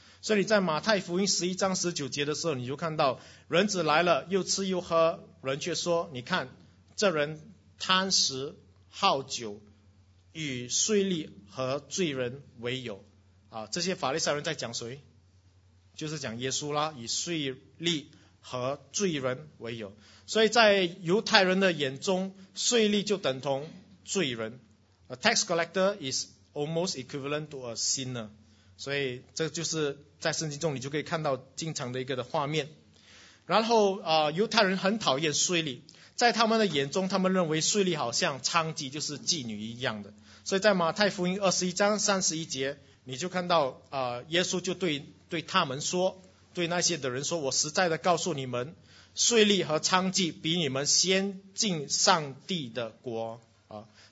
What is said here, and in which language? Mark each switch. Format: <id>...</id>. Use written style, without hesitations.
<zh>所以你在马太福音11:19的时候，你就看到人子来了，又吃又喝，人却说：“你看，这人贪食好酒，与税吏和罪人为友。” 啊，这些法利赛人在讲谁？就是讲耶稣啦，与税吏和罪人为友。所以在犹太人的眼中，税吏就等同罪人。</zh> <en>A tax collector is almost equivalent to a sinner.</en> <zh>所以这就是在圣经中你就可以看到经常的一个的画面。然后犹太人很讨厌税吏。在他们的眼中，他们认为税吏好像娼妓，就是妓女一样的。所以在马太福音21:31，你就看到耶稣就对他们说，对那些的人说：“我实在的告诉你们，税吏和娼妓比你们先进上帝的国啊！”</zh>